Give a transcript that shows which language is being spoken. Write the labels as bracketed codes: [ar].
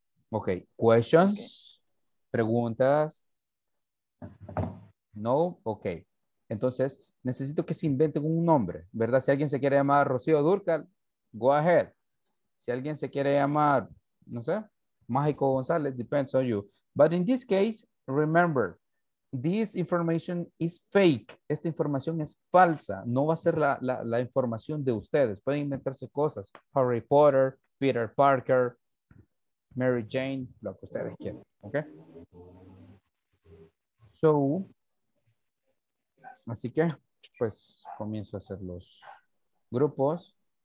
[en] Ok, questions, okay. Preguntas. No, ok. [es] Entonces, necesito que se inventen un nombre, ¿verdad? Si alguien se quiere llamar Rocío Dúrcal, [en] go ahead. [es] Si alguien se quiere llamar, no sé, Mágico González, [en] depends on you. But in this case, remember, this information is fake. [es] Esta información es falsa. No va a ser la información de ustedes. Pueden inventarse cosas. Harry Potter, Peter Parker, Mary Jane, lo que ustedes quieran. ¿Ok? So, así que, pues comienzo a hacer los grupos.